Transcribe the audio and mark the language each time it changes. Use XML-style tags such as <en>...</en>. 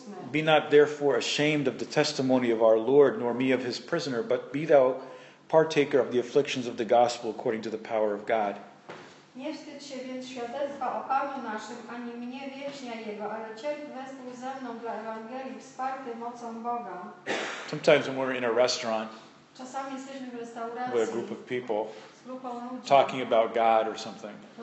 <en>Be not therefore ashamed of the testimony of our Lord, nor me of his prisoner, but be thou partaker of the afflictions of the gospel according to the power of God.</en> <pl>Nie wstydź się więc świadectwa o Panu naszym, ani mnie wiecznia Jego, ale cierp wespół ze mną dla Ewangelii, wsparty mocą Boga.</pl> <en>Sometimes when we're in a restaurant,</en> <pl>czasami jesteśmy w restauracji,</pl> <en>with a group of people, talking about God or something.</en>